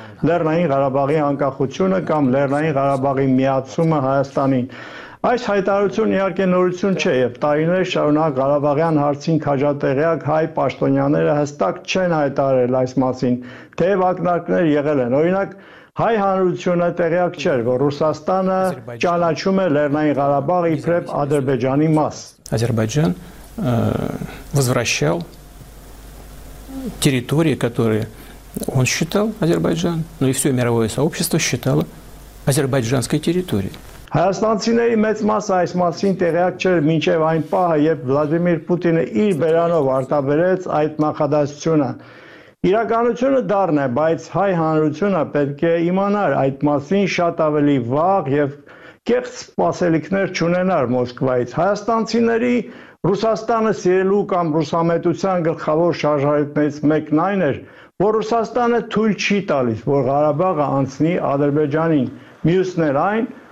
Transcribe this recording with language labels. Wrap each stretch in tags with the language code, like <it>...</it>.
<hy>Լեռնային Ղարաբաղի անկախությունը կամ Լեռնային Ղարաբաղի միացումը Հայաստանին։ Այս հայտարարությունը իհարկե նորություն չէ, եւ տարիներ շարունակ Ղարաբաղյան հարցին քաջատեղյակ հայ պաշտոնյաները հստակ չեն հայտարարել այս մասին, թեև ակնարկներ եղել են։ Օրինակ, հայ հանրությունը տեղյակ չէր, որ Ռուսաստանը ճանաչում է Լեռնային Ղարաբաղը իբրև Ադրբեջանի մաս։</hy> <ru>Ադրբեջան возвращал территории, которые он считал Ադրբեջան, но и всё мировое сообщество считало азербайджанской территорией։</ru> <hy>Հայաստանցիների մեծ մասը այս մասին տեղյակ չէր մինչև այն պահը, երբ Վլադիմիր Պուտինը իր բերանով արտաբերեց այդ նախադասությունը։ Իրականությունը դառն է, բայց հայ հանրությունը պետք է իմանար այդ մասին շատ ավելի վաղ և կեղծ սպասելիքներ չունենար Մոսկվայից։ Հայաստանցիների Ռուսաստանը սիրելու կամ ռուսամետության գլխավոր շարժարիքներից մեկն այն էր, որ Ռուսաստանը թույլ չի տալիս, որ Ղարաբաղը անցնի Ադրբեջանին, մյուսն էր այն,</hy>